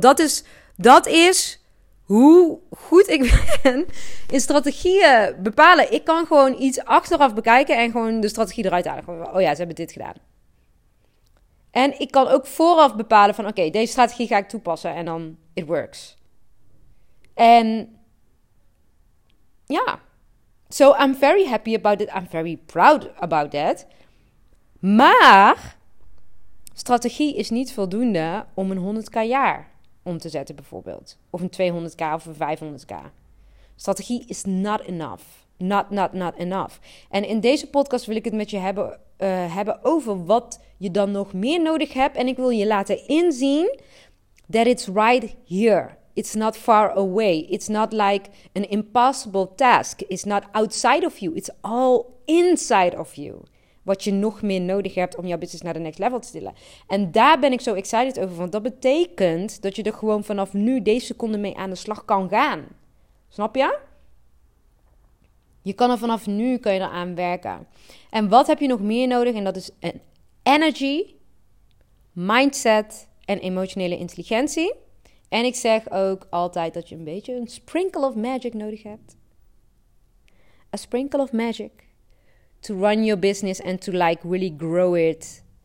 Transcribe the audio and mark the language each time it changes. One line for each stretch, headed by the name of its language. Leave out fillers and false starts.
Dutch: Dat is hoe goed ik ben in strategieën bepalen. Ik kan gewoon iets achteraf bekijken en gewoon de strategie eruit halen. Oh ja, ze hebben dit gedaan. En ik kan ook vooraf bepalen van oké, deze strategie ga ik toepassen en dan
English: it works.
Dutch: En ja,
English: so I'm very happy about it. I'm very proud about that.
Dutch: Maar strategie is niet voldoende om een 100k jaar om te zetten bijvoorbeeld. Of een 200k of een 500k. Strategie
English: is not enough. Not enough.
Dutch: En in deze podcast wil ik het met je hebben over wat je dan nog meer nodig hebt. En ik wil je laten inzien
English: that it's right here. It's not far away. It's not like an impossible task. It's not outside of you. It's all inside of you.
Dutch: Wat je nog meer nodig hebt om jouw business naar de next level te tillen. En daar ben ik zo excited over. Want dat betekent dat je er gewoon vanaf nu deze seconde mee aan de slag kan gaan. Snap je? Je kan er vanaf nu kun je eraan werken. En wat heb je nog meer nodig? En dat is een energy, mindset en emotionele intelligentie. En ik zeg ook altijd dat je een beetje een
English: sprinkle of magic
Dutch: nodig hebt.
English: A sprinkle of magic. To run your business and to like really grow it.